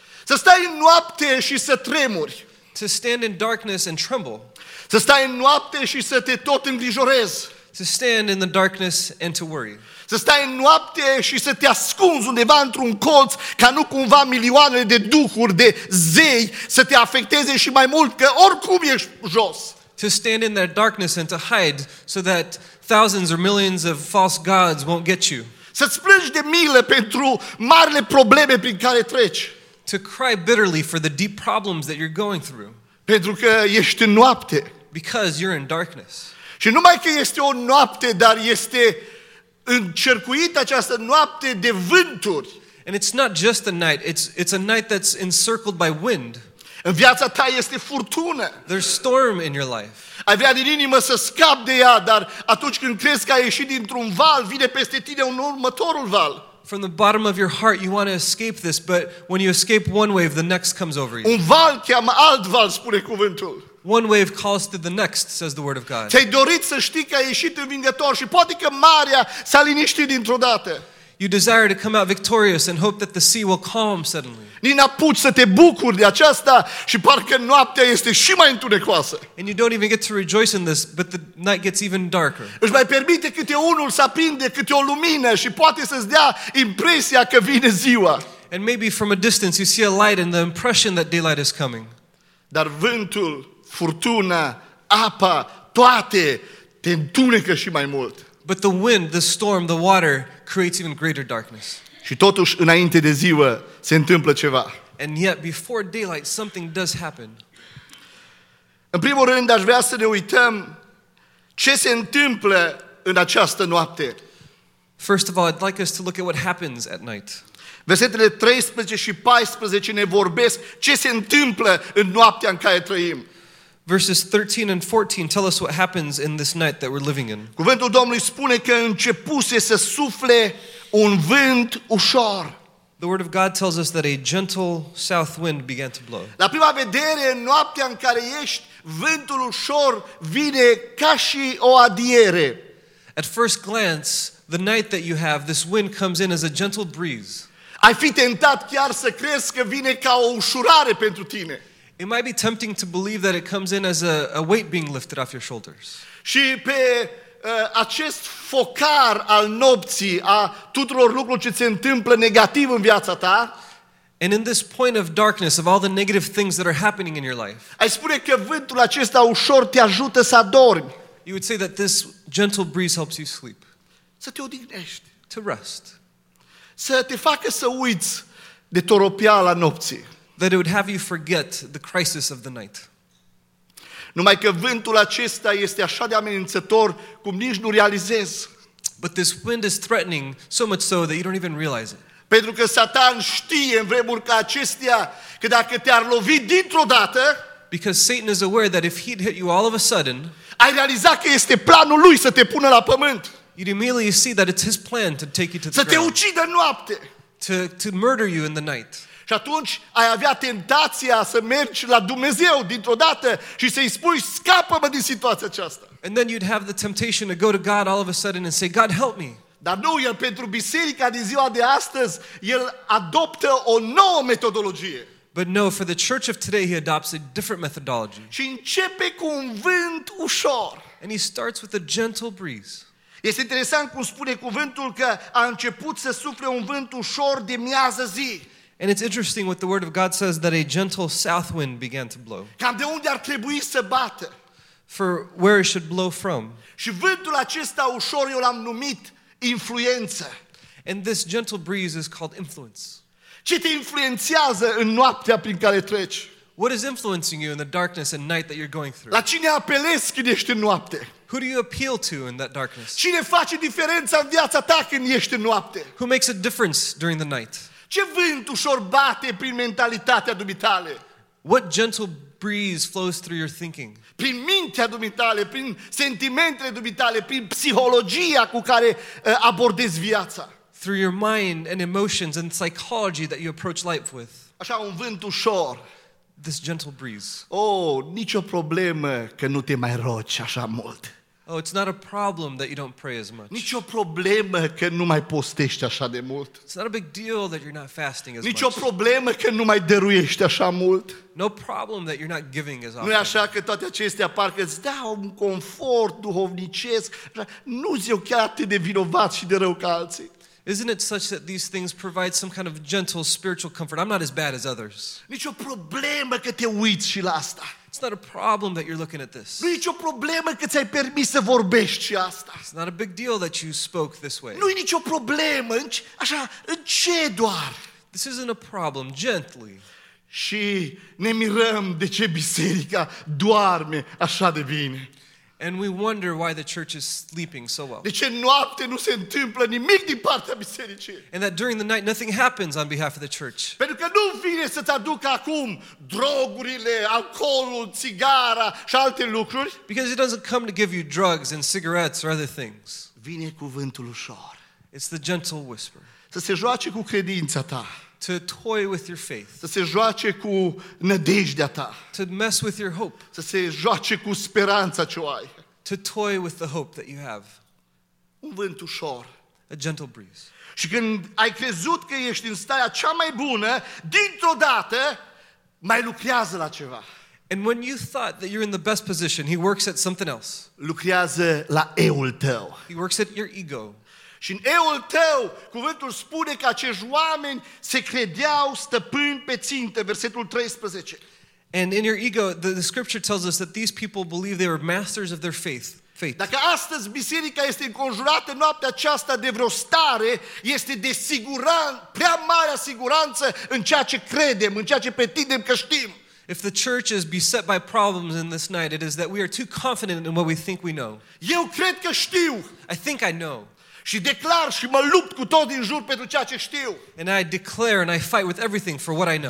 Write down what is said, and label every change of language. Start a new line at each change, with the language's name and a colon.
Romanian: Să stai în noapte și să tremuri.
English: To stand in darkness and tremble.
Romanian: Să stai în noapte și să te tot îngrijorezi.
English: To stand in the darkness and to worry.
Romanian: Să stai în noapte și să te ascunzi undeva într-un colț ca nu cumva milioanele de duhuri, de zei, să te afecteze și mai mult, că oricum ești jos.
English: To stand in that darkness and to hide so that thousands or millions of false gods won't get you.
Romanian: Să-ți plângi de milă pentru marile probleme prin care treci.
English: To cry bitterly for the deep problems that you're going through.
Romanian: Pentru că ești în noapte.
English: Because you're in darkness.
Romanian: Și numai că este o noapte, dar este încercuit această noapte de vânturi.
English: And it's not just a night, it's a night that's encircled by wind.
Romanian: În viața ta este furtună.
English: There's storm in your life.
Romanian: Ai vrea din inimă să scapi de ea, dar atunci când crezi că ai ieșit dintr-un val, vine peste tine un următorul val.
English: From the bottom of your heart you want to escape this, but when you escape one wave the next comes over you.
Romanian: Un val cheamă alt val, spune cuvântul.
English: One wave calls to the next, says the word of God.
Romanian: Ți-ai dorit să știi că ai ieșit învingător și poate că marea s-a liniștit dintr-o dată.
English: You desire to come out victorious and hope that the sea will calm suddenly.
Romanian: Nici n-apuci să te bucuri de aceasta și parcă noaptea este și mai întunecoasă.
English: And you don't even get to rejoice in this, but the night gets even darker.
Romanian: Își mai permite câte unul să aprinde câte o lumină și poate să-ți dea impresia că vine ziua.
English: And maybe from a distance you see a light and the impression that daylight is coming.
Romanian: Dar vântul, furtuna, apa, toate te întunecă și mai mult.
English: But the wind, the storm, the water creates even greater darkness.
Romanian: Și totuși înainte de ziua se întâmplă ceva.
English: And yet before daylight something does happen.
Romanian: În primul rând aș vrea să ne uităm ce se întâmplă în această noapte.
English: First of all, I'd like us to look at what happens at night.
Romanian: Versetele 13 și 14 ne vorbesc ce se întâmplă în noaptea în care trăim.
English: Verses 13 and 14 tell us what happens in this night that we're living in.
Romanian: Cuvântul Domnului spune că începuse să sufle un vânt ușor.
English: The word of God tells us that a gentle south wind began to blow.
Romanian: La prima vedere, în noaptea în care ești, vântul ușor vine ca și o adiere.
English: At first glance, the night that you have, this wind comes in as a gentle breeze.
Romanian: Ai fi tentat chiar să crezi că vine ca o ușurare pentru tine.
English: It might be tempting to believe that it comes in as a weight being lifted off your shoulders.
Romanian: Și pe acest focar al nopții, a tuturor lucrurilor ce se întâmplă negativ în viața ta,
English: and in this point of darkness of all the negative things that are happening in your life,
Romanian: ai spune că vântul acesta ușor te ajută să adormi.
English: You would say that this gentle breeze helps you sleep.
Romanian: Să te odihnești.
English: To rest.
Romanian: Să te facă să uiți de toropiala nopții.
English: That it would have you forget the crisis of the night.
Romanian: Numai că vântul acesta este așa de amenințător cum nici nu realizezi.
English: But this wind is threatening so much so that you don't even realize it.
Romanian: Pentru că Satan știe în vremuri ca acestea că dacă te-ar lovi dintr-o dată,
English: because Satan is aware that if he'd hit you all of a sudden,
Romanian: ai realiza că este planul lui să te pună la pământ.
English: You'd immediately see that it's his plan to take you to the ground.
Romanian: Să te ucidă în noapte.
English: To murder you in the night.
Romanian: Și atunci ai avea tentația să mergi la Dumnezeu dintr-o dată și să-i spui, scapă-mă din situația aceasta.
English: And then you'd have the temptation to go to God all of a sudden and say, God, help me.
Romanian: Dar nu, el pentru biserica din ziua de astăzi, el adoptă o nouă metodologie.
English: But no, for the church of today, he adopts a different methodology.
Romanian: Și începe cu un vânt ușor.
English: And he starts with a gentle breeze.
Romanian: Este interesant cum spune cuvântul că a început să sufle un vânt ușor de miază zi.
English: And it's interesting what the word of God says that a gentle south wind began to blow.
Romanian: Cam de unde ar trebui să bată?
English: For where it should blow from.
Romanian: Și vântul acesta ușor eu l-am numit influență.
English: And this gentle breeze is called influence.
Romanian: Ce te influențează în noaptea prin care treci?
English: What is influencing you in the darkness and night that you're going through?
Romanian: La cine apelezi când ești în noapte?
English: Who do you appeal to in that darkness?
Romanian: Cine face diferența în viața ta când ești în noapte?
English: Who makes a difference during the night?
Romanian: Ce vânt ușor bate prin mentalitatea dumitale?
English: What gentle breeze flows through your thinking?
Romanian: Prin mintea dumitale, prin sentimentele dumitale, prin psihologia cu care abordezi viața.
English: Through your mind and emotions and psychology that you approach life with.
Romanian: Așa, un vânt ușor.
English: This gentle breeze.
Romanian: Oh, nicio problemă că nu te mai rogi așa mult.
English: Oh, it's not a problem that you don't pray as much.
Romanian: Nicio problemă că nu mai postești așa de mult.
English: It's not a big deal that you're not fasting as
Romanian: Nicio
English: much.
Romanian: Nicio problemă că nu mai dăruiești așa mult.
English: No problem that you're not giving as often.
Romanian: Nu e așa că toate acestea parcă îți dau un confort duhovnicesc. Nu-s eu chiar atât de vinovat și de rău ca alții.
English: Isn't it such that these things provide some kind of gentle spiritual comfort? I'm not as bad as others.
Romanian: Nicio problemă că te uiți și la asta.
English: It's not a problem that you're looking at this.
Romanian: Nu e nicio problemă că ți-ai permis să vorbești și asta.
English: It's not a big deal that you spoke this way.
Romanian: Nu e nicio problemă, așa, încet doar.
English: This isn't a problem, gently.
Romanian: Și ne mirăm de ce biserica doarme așa de bine.
English: And we wonder why the church is sleeping so well.
Romanian: De ce noapte nu se întâmplă nimic din partea bisericii?
English: And that during the night nothing happens on behalf of the church.
Romanian: Pentru că nu vine să-ți aducă acum drogurile, alcoolul, țigara și alte lucruri.
English: Because it doesn't come to give you drugs and cigarettes or other things.
Romanian: Vine cuvântul ușor.
English: It's the gentle whisper.
Romanian: Să se joace cu credința ta.
English: To toy with your faith.
Romanian: Să se joace cu nădejdea ta.
English: To mess with your hope.
Romanian: Să se joace cu speranța ce ai.
English: To toy with the hope that you have.
Romanian: Un vânt ușor.
English: A gentle breeze.
Romanian: Și când ai crezut că ești în starea cea mai bună, dintr-o dată mai lucrează la ceva.
English: And when you thought that you're in the best position, he works at something else.
Romanian: Lucrează la eul tău.
English: He works at your ego.
Romanian: Și în eul tău, cuvântul spune că acești oameni se credeau stăpâni pe ținte, versetul 13.
English: And in your ego, the scripture tells us that these people believe they were masters of their faith.
Romanian: Dacă astăzi biserica este înconjurată noaptea aceasta de vreo stare, este de siguranță, prea mare siguranță în ceea ce credem, în ceea ce pretindem că știm.
English: If the church is beset by problems in this night, it is that we are too confident in what we think we know.
Romanian: Eu cred că știu.
English: I think I know.
Romanian: Și declar și mă lupt cu tot din jur pentru ceea ce știu.
English: And I declare and I fight with everything for what I know.